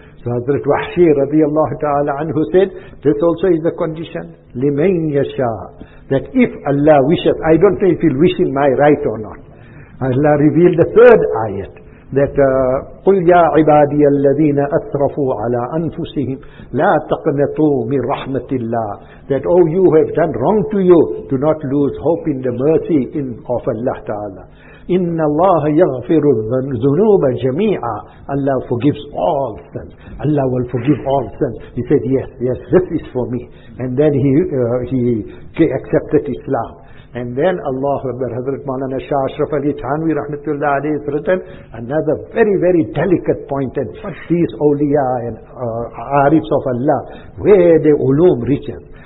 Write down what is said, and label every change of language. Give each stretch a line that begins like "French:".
English: So Hazrat Wahshi radiallahu ta'ala anhu said, this also is a condition, لِمَنْ يَشَاءُ, that if Allah wishes, I don't know if He'll wish in my right or not. Allah revealed the third ayat, that
Arabic: قُلْ يَا عِبَادِيَ الَّذِينَ أَسْرَفُوا عَلَىٰ أَنفُسِهِمْ لَا تَقْنَطُوا مِنْ رَحْمَةِ اللَّهِ,
English: that oh, you who have done wrong to you, do not lose hope in the mercy in of Allah Ta'ala.
Arabic: إِنَّ اللَّهَ يَغْفِرُ الذُّنُوبَ جَمِيعًا,
English: Allah forgives all sins. Allah will forgive all sins. He said, yes, yes, this is for me. And then he accepted Islam. And then Allah, Hazrat Maulana Shah Ashraf Ali Thanvi Rahmatullah Alayhi has written another very, very delicate point. And these awliya and arifs of Allah, where the ulum reaches.